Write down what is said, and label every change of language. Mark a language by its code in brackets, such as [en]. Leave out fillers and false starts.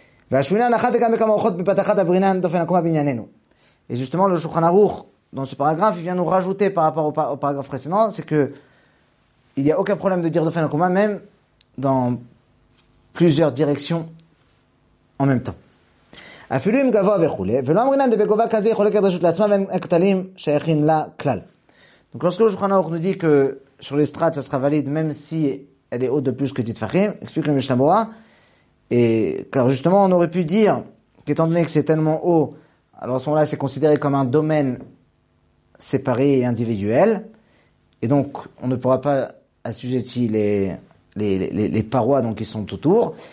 [fr] Et justement, le Shulchan Aruch, dans ce paragraphe, il vient nous rajouter par rapport au paragraphe précédent, c'est que il n'y a aucun problème de dire « Dofen Akuma » même dans plusieurs directions en même temps. [he] אפילו אם גבוה וכולי, ולא אמרינן דה בגובה כזה יחולק את רשות לעצמה ואין הקטלים שייכים לה כלל. [fr] Donc lorsque le Shulchan Aruch nous dit que sur les strates ça sera valide même si elle est haute de plus que dit Fahim, explique le Mishnah Berurah, et car justement on aurait pu dire qu'étant donné que c'est tellement haut, alors à ce moment-là c'est considéré comme un domaine séparé et individuel, et donc on ne pourra pas assujettir les parois donc, qui sont autour.